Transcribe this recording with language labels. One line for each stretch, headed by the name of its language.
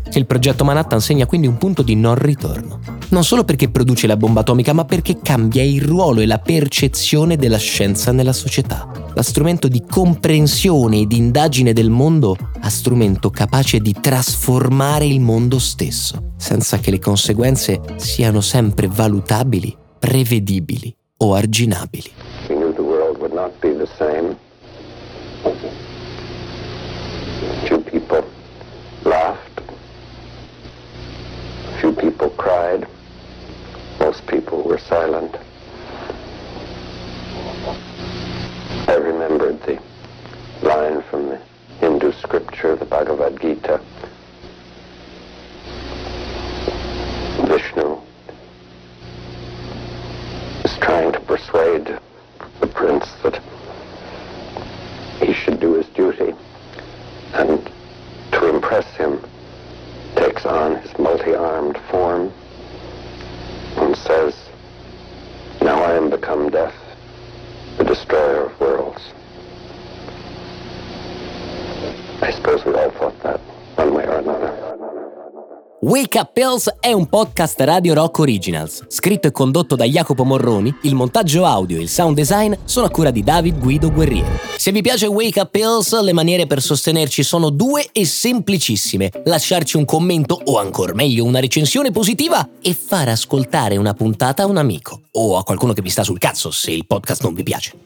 Italian: Il progetto Manhattan segna quindi un punto di non ritorno. Non solo perché produce la bomba atomica, ma perché cambia il ruolo e la percezione della scienza nella società. Da strumento di comprensione ed indagine del mondo a strumento capace di trasformare il mondo stesso, senza che le conseguenze siano sempre valutabili, prevedibili o arginabili.
English: We knew the world would not be the same. Two people laughed. Few people cried. Most people were silent. I remembered the line from the Hindu scripture, the Bhagavad Gita. Vishnu is trying to persuade the prince that he should do his duty, and to impress him, takes on his multi-armed form and says, "Now I am become death, the destroyer of worlds." I suppose we all thought that one way or another.
Italian: Wake Up Pills è un podcast Radio Rock Originals, scritto e condotto da Jacopo Morroni. Il montaggio audio e il sound design sono a cura di David Guido Guerrieri. Se vi piace Wake Up Pills, le maniere per sostenerci sono due e semplicissime: lasciarci un commento o ancor meglio una recensione positiva e far ascoltare una puntata a un amico o a qualcuno che vi sta sul cazzo se il podcast non vi piace.